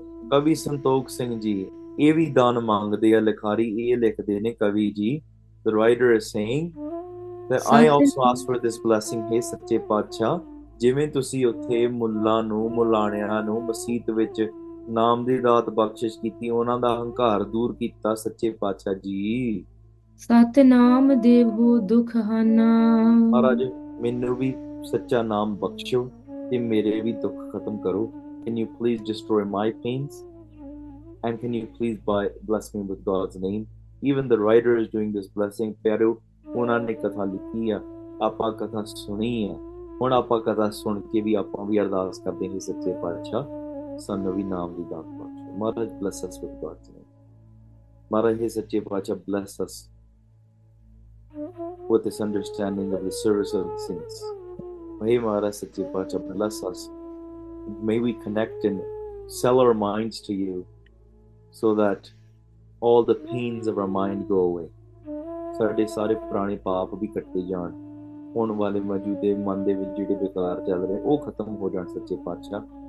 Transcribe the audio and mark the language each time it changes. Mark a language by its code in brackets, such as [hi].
[pa] ਕਵੀ ਸੰਤੋਖ ਸਿੰਘ ਜੀ ਇਹ ਵੀ ਦਾਨ ਮੰਗਦੇ ਆ। ਲਿਖਾਰੀ ਇਹ ਲਿਖਦੇ ਨੇ, ਕਵੀ ਜੀ, [en] the writer is saying that I also ask for this blessing, [pa] ਹੇ ਸੱਚੇ ਪਾਤਸ਼ਾਹ, ਜਿਵੇਂ ਤੁਸੀ ਉੱਥੇ ਮੁੱਲਾ ਨੂੰ ਮੁੱਲਾਣੀਆਂ ਨੂੰ ਮਸਜਿਦ ਵਿੱਚ ਨਾਮ ਦੀ ਰਾਤ ਬਖਸ਼ਿਸ਼ ਕੀਤੀ, ਓਹਨਾ ਦਾ ਅਹੰਕਾਰ ਦੂਰ ਕੀਤਾ, ਸੱਚੇ ਪਾਤਸ਼ਾਹ ਜੀ, sat naam devo dukh hana, ਮਹਾਰਾਜ ਮੈਨੂੰ ਵੀ ਸੱਚਾ ਨਾਮ ਬਖਸ਼ੋ ਤੇ ਮੇਰੇ ਵੀ ਦੁੱਖ ਖਤਮ ਕਰੋ, [en] can you please destroy my pains and can you please bless me with God's name. Even the writer is doing this blessing, [pa] pero ਉਹਨਾਂ ਨੇ ਕਥਾ ਲਿਖੀ ਆ, ਆਪਾਂ ਕਥਾ ਸੁਣੀ ਆ, ਹੁਣ ਆਪਾਂ ਕਥਾ ਸੁਣ ਕੇ ਵੀ ਆਪਾਂ ਵੀ ਅਰਦਾਸ ਕਰਦੇ ਹਾਂ ਸੱਚੇ ਪਾਤਸ਼ਾਹ ਸਾਨੂੰ ਵੀ ਨਾਮ ਦੀ ਦਾਤ ਬਖਸ਼ੋ। [en] ਮਹਾਰਾਜ bless us with God's name, ਮਹਾਰਾਜ ਹੇ ਸੱਚੇ ਪਾਤਸ਼ਾਹ bless us with this understanding of the service of sings, ਹੇ ਮਹਾਰਾਜ ਸੱਚੇ ਪਾਤਸ਼ਾਹ bless us, may we connect in sell our minds to you so that all the pains of our mind go away, [pa] ਸਾਡੇ ਸਾਰੇ ਪੁਰਾਣੇ ਪਾਪ ਵੀ ਕੱਟੇ ਜਾਣ, ਹੁਣ ਵਾਲੇ ਮੌਜੂਦੇ ਮਨ ਦੇ ਵਿੱਚ ਜਿਹੜੇ ਵਿਕਾਰ ਚੱਲ ਰਹੇ ਉਹ ਖਤਮ ਹੋ ਜਾਣ ਸੱਚੇ ਪਾਤਸ਼ਾਹ।